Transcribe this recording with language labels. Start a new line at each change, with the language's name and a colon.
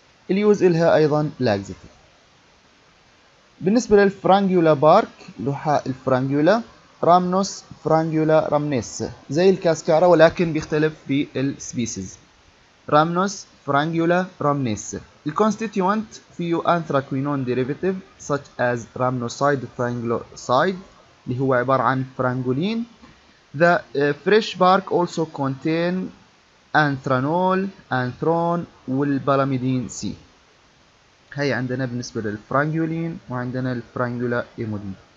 Arabic: اليوز الها ايضا لاكزيتي. بالنسبة للفرانجولا بارك، لحاء الفرانجولا، رامنوس فرانجولا رامنيسا، زي الكاسكارا ولكن بيختلف بالسبيسيز. رامنوس فرانجولا رامنيسا.
English: الكونستيتيونت few anthraquinone derivative such as
Arabic: رامنوسايد فرانجلوسايد، اللي هو عبارة عن فرانجولين.
English: The fresh bark also contain anthranol, anthron, والبالاميدين C.
Arabic: هاي عندنا بالنسبة للفرانجولين وعندنا الفرانجولا ايمودين.